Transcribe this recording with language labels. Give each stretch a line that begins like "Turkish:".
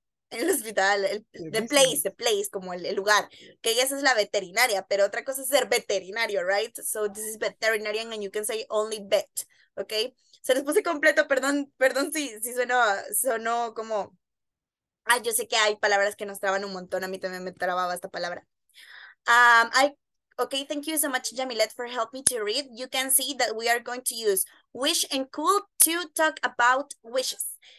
Spanish: El hospital,
English: the place,
Spanish: como el lugar. Que ella es la veterinaria, pero otra cosa es ser veterinario, right?
English: So this is veterinarian and you can say only vet, okay?
Spanish: Se les puse completo, perdón si sonó como... Ah, yo sé que hay palabras que nos traban un montón, a mí también me trababa esta palabra.
English: Okay, thank you so much, Jamilet, for helping me to read. You can see that we are going to use wish and could to talk about wishes.